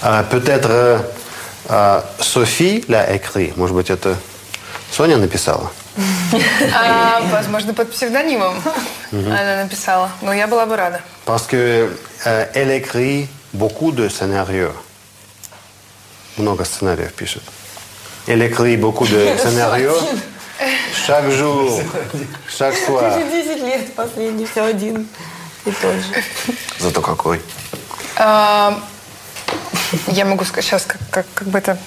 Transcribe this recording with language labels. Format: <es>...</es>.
<fr>Peut-être Sophie l'a écrit.</fr> <ru>Может быть, это Соня написала? Возможно, под псевдонимом она написала. Но я была бы рада.</ru> <fr>Parce que elle écrit beaucoup de scénarios.</fr> <ru>Много сценариев пишет.</ru> <fr>Elle écrit beaucoup de scénarios. Chaque jour, chaque soir.</fr> <ru>Уже 10 лет последний, все один и тот же. Зато какой. Я могу сказать сейчас, как бы это...</ru>